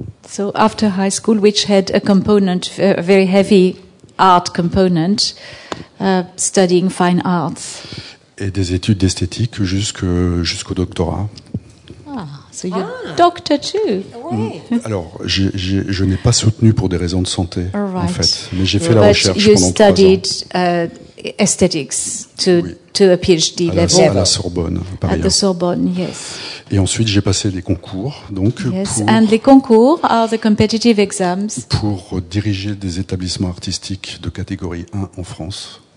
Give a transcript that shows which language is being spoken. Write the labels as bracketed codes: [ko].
[en] So after high school, which had a component, a very heavy art component, studying fine arts. [fr] Et des études d'esthétique jusqu'au doctorat. [en] So you're doctor too. [fr] Alors, je n'ai pas soutenu pour des raisons de santé, [en] right, [fr] en fait. Mais j'ai fait la recherche pendant 3 ans. [en] But you studied aesthetics to a PhD level. [fr] À la Sorbonne, Paris. [en] At the Sorbonne, yes. [fr] Et ensuite, j'ai passé des concours. Donc, [en] yes, and the concours are the competitive exams. [fr] Pour diriger des établissements artistiques de catégorie 1 en France.